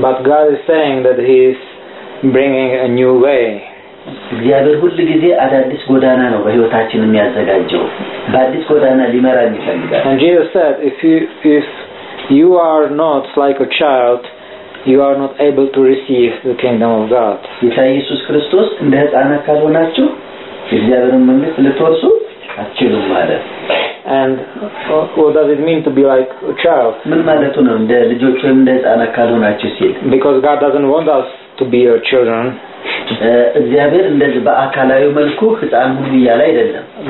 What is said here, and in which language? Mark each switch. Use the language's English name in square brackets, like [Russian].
[English] but God is saying that he is bringing a new way [Amharic] እግዚአብሔር ሁሉ ጊዜ አዳዲስ ጎዳና ነው በህይወታችን የሚያዘጋጀው አዲስ ጎዳና ሊመራን ይፈልጋል [English] And Jesus said if you are not like a child you are not able to receive the kingdom of God [Amharic] ኢየሱስ ክርስቶስ እንደ ህፃን ካልሆናችሁ እግዚአብሔርን መንግስት ልትወርሱ አትችሉም ማለት [English] And what does it mean to be like a child [Amharic] ምን ማለት ነው እንደ ልጆች እንደ ህፃን ካልሆናችሁ ሲል [English] Because God doesn't want us to be your children [Amharic] እግዚአብሔር እንደዚህ በአካላዊ መልኩ ህፃን ሁሉ ይያለ አይደለም